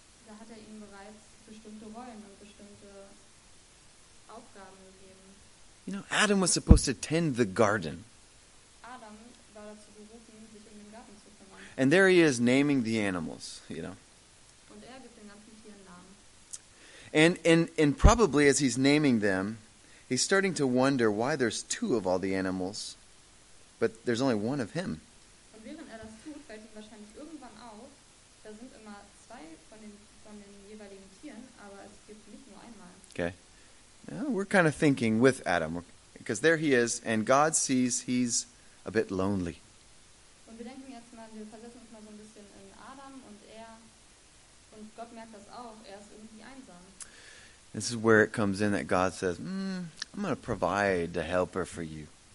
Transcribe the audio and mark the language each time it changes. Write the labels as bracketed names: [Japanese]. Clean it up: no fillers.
[German] Da hat er ihnen bereits bestimmte Rollen und bestimmte Aufgaben gegeben. [English] You know, Adam was supposed to tend the garden. [German] Adam war dazu berufen, sich um den Garten zu kümmern. [English] And there he is naming the animals, you know. [German] Und er gibt den ganzen Tieren Namen. [English] And probably as he's naming them, he's starting to wonder why there's two of all the animals But there's only one of him. [German] Und während er das tut, fällt ihm wahrscheinlich irgendwann auf, da sind immer zwei von den jeweiligen Tieren, aber es gibt nicht nur einmal. [English] Okay. Well, we're kind of thinking with Adam, because there he is, and God sees he's a bit lonely. [German] Und wir denken jetzt mal, wir versetzen uns mal so ein bisschen in Adam und er, und Gott merkt das auch, er ist irgendwie einsam. [English] This is where it comes in that God says, I'm going to provide a helper for you.